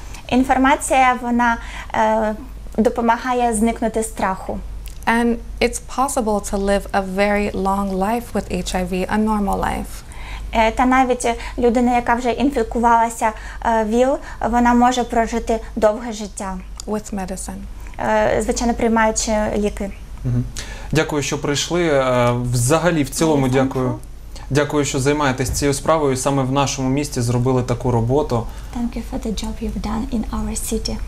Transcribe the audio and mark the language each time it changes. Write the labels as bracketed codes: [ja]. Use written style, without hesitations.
[uk] Інформація, вона допомагає зникнути страху. [en] And it's possible to live a very long life with HIV, a normal life. [uk] Та навіть людина, яка вже інфікувалася ВІЛ, вона може прожити довге життя. [en] With medicine. [uk] Звичайно, приймаючи ліки. Дякую, що прийшли. Взагалі, в цілому, дякую. Дякую, що займаєтесь цією справою і саме в нашому місті зробили таку роботу. [en] Thank you for the job you've done in our city.